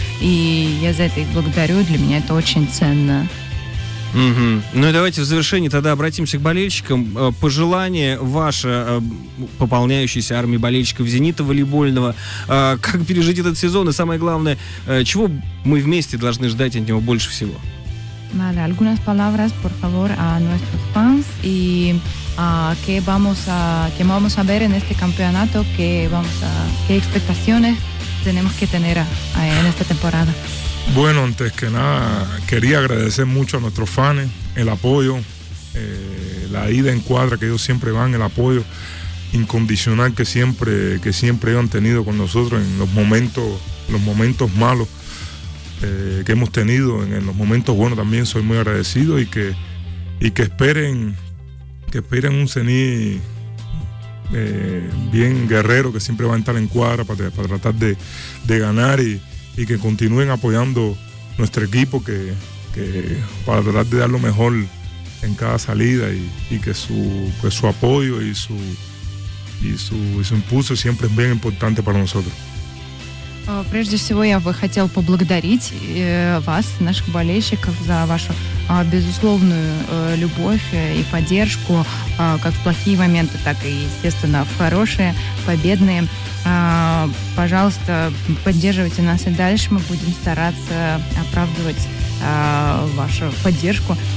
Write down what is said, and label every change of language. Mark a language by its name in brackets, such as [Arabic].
[Russian] И я за это их благодарю. Для меня это очень ценно. Угу. Ну и давайте в завершение тогда обратимся к болельщикам. Пожелание ваше пополняющейся армии болельщиков «Зенита» волейбольного. Как пережить этот сезон? И самое главное, чего мы вместе должны ждать от него больше всего? [Spanish] Vale, algunas palabras, por favor, a nuestros fans y qué vamos a ver en este campeonato, qué expectaciones tenemos que tener en esta temporada. Bueno, antes que nada, quería agradecer mucho a nuestros fans el apoyo, la ida en cuadra que ellos siempre van, el apoyo incondicional que siempre han tenido con nosotros en los momentos malos. Que hemos tenido en los momentos buenos también soy muy agradecido y que esperen un Zenit bien guerrero que siempre va a entrar en cuadra para tratar de ganar y que continúen apoyando nuestro equipo que para tratar de dar lo mejor en cada salida y que su apoyo y su impulso siempre es bien importante para nosotros. [Russian] Прежде всего, я бы хотел поблагодарить вас, наших болельщиков, за вашу безусловную любовь и поддержку, как в плохие моменты, так и, естественно, в хорошие, победные. Пожалуйста, поддерживайте нас и дальше. Мы будем стараться оправдывать вашу поддержку.